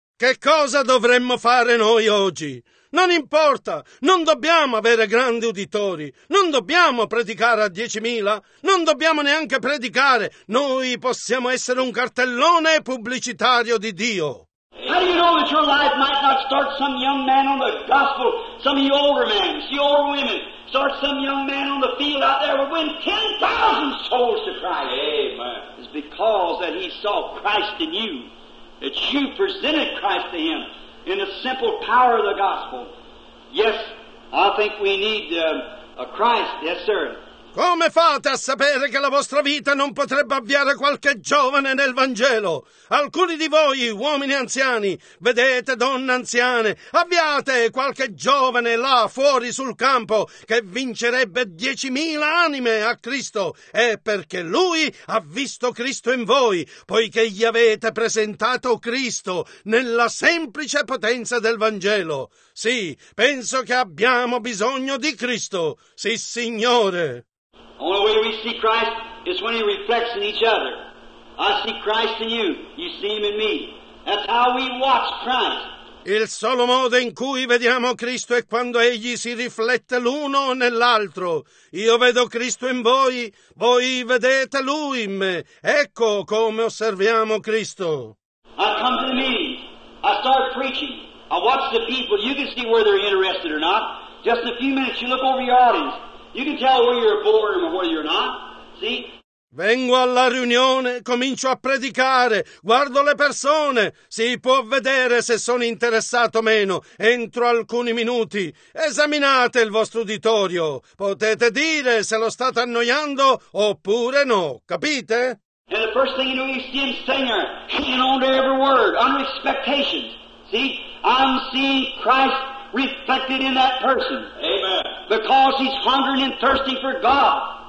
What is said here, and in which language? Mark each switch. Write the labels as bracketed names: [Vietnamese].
[Italian] Che cosa dovremmo fare noi oggi? Non importa, non dobbiamo avere grandi uditori, non dobbiamo predicare a 10,000, non dobbiamo neanche predicare, noi possiamo essere un cartellone pubblicitario di Dio. [English] How do you know that your life might not start some young man on the gospel, some of you older men, some older women, start some young man on the field out there and win 10,000 souls to Christ? Amen. It's because that he saw Christ in you, that you presented Christ to him. In the simple power of the gospel. Yes, I think we need a Christ. Yes, sir. [Italian] Come fate a sapere che la vostra vita non potrebbe avviare qualche giovane nel Vangelo? Alcuni di voi, uomini anziani, vedete donne anziane, avviate qualche giovane là fuori sul campo che vincerebbe 10,000 anime a Cristo. È perché lui ha visto Cristo in voi, poiché gli avete presentato Cristo nella semplice potenza del Vangelo. Sì, penso che abbiamo bisogno di Cristo. Sì, Signore. [English] The only way we see Christ is when he reflects in each other. I see Christ in you, you see him in me. That's how we watch Christ. [Italian] Il solo modo in cui vediamo Cristo è quando egli si riflette l'uno nell'altro. Io vedo Cristo in voi, voi vedete lui in me. Ecco come osserviamo Cristo. [English] I come to the meetings, I start preaching, I watch the people, you can see whether they're interested or not. Just in a few minutes, you look over your audience. You can tell whether you're a boring or whether you're not. See? [Italian] Vengo alla riunione, comincio a predicare, guardo le persone, si può vedere se sono interessato o meno, entro alcuni minuti, esaminate il vostro uditorio, potete dire se lo state annoiando oppure no, capite? [English] And the first thing you know, you see a singer, hanging on to every word, under expectations, see, I'm seeing Christ reflected in that person, amen, because he's hungering and thirsting for God.